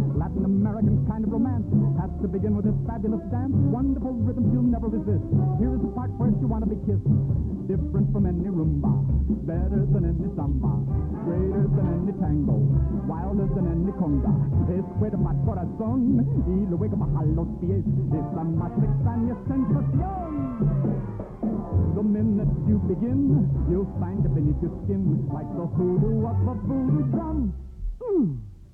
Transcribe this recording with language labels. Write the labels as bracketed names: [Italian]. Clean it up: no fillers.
[English] Latin American kind of romance has to begin with this fabulous dance. Wonderful rhythm you'll never resist. Here is the part where you want to be kissed. Different from any rumba, better than any samba, greater than any tango, wilder than any conga. [Spanish] Es fuerte mi corazón y luego bajar los pies. Es la más extraña sensación. [English] The minute you begin, you'll find it beneath your skin like the hoodoo of a voodoo drum.